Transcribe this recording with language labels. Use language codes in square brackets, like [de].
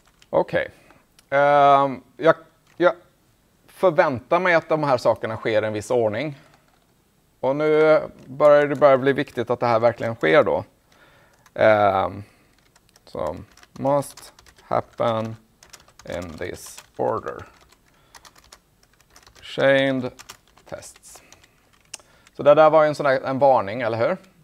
[sv] Okej. Okay. Jag förväntar mig att de här sakerna sker i en viss ordning. Och nu börjar det börja bli viktigt att det här verkligen sker då. [en] Så must happen in this order. Chained tests. [sv] Så det där var ju en sån där, en varning, eller hur?